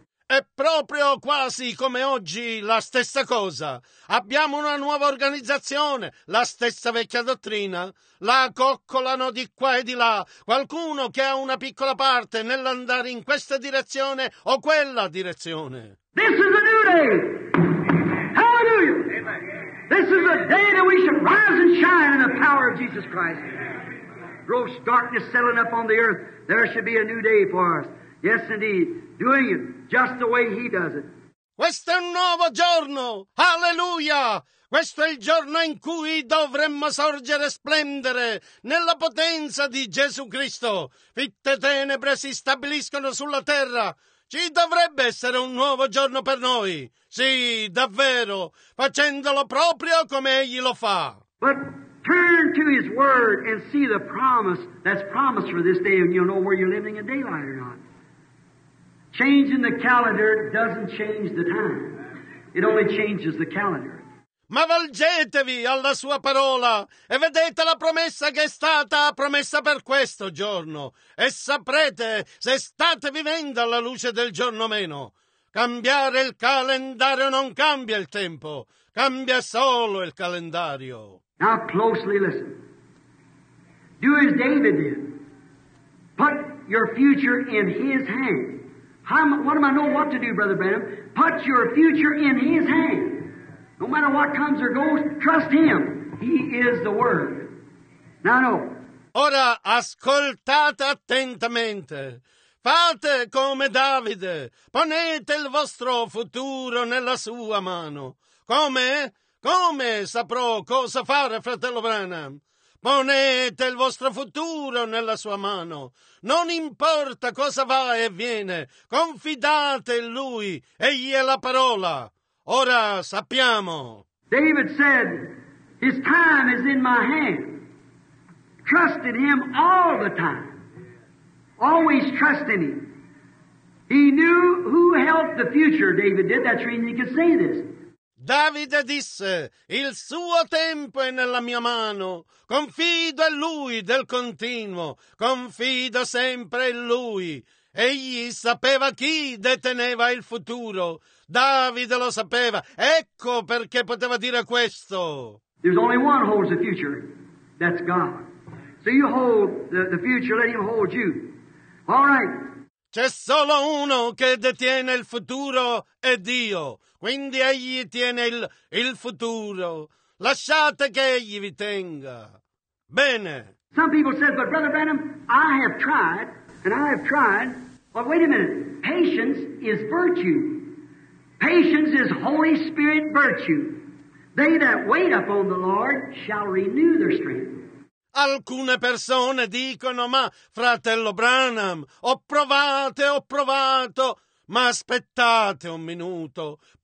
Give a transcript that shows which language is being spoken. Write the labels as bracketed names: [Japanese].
[Italian] È proprio quasi come oggi la stessa cosa. Abbiamo una nuova organizzazione, la stessa vecchia dottrina. La coccolano di qua e di là. Qualcuno che ha una piccola parte nell'andare in questa direzione o quella direzione. [English] This is a new day. Hallelujah. This is a day that we should rise and shine in the power of Jesus Christ. Gross darkness settling up on the earth. There should be a new day for us. Yes, indeed. Doing it just the way he does it. [Italian] Questo è un nuovo giorno. Alleluia. Questo è il giorno in cui dovremmo sorgere e splendere nella potenza di Gesù Cristo. Fitte tenebre si stabiliscono sulla terra. Ci dovrebbe essere un nuovo giorno per noi. Sì, davvero, facendolo proprio come egli lo fa. [English] But turn to his word and see the promise that's promised for this day and you'll know where you're living in daylight or not. Changing the calendar doesn't change the time. It only changes the calendar. [Italian] Ma volgetevi alla sua parola e vedete la promessa che è stata promessa per questo giorno e saprete se state vivendo alla luce del giorno meno. Cambiare il calendario non cambia il tempo, cambia solo il calendario. [English] Now closely listen. Do as David did. Put your future in his hand. What am I know what to do, Brother Branham? Put your future in his hand. No matter what comes or goes, trust him. He is the word. Now. [Italian] Ora ascoltate attentamente. Fate come Davide. Ponete il vostro futuro nella sua mano. Come? Come saprò cosa fare, fratello Branham? Ponete il vostro futuro nella sua mano. Non importa cosa va e viene. Confidate in lui. Egli è la parola. Ora sappiamo. [English] David said, his time is in my hand. Trust in him all the time. Always trust in him. He knew who held the future, David did. That's the reason he could say this. [Italian] Davide disse, il suo tempo è nella mia mano. Confido in lui del continuo. Confido sempre in lui. Egli sapeva chi deteneva il futuro. Davide lo sapeva. Ecco perché poteva dire questo. [English] There's only one who holds the future. That's God. So you hold the future, let him hold you. All right. [Italian] C'è solo uno che detiene il futuro, è Dio. Quindi egli tiene il futuro. Lasciate che egli vi tenga. Bene. [English] Some people say, but Brother Branham, I have tried, and I have tried. But wait a minute. Patience is virtue. Patience is Holy Spirit virtue. They that wait upon the Lord shall renew their strength. [Italian] Alcune persone dicono, ma fratello Branham, ho provato, ma aspettate un minuto.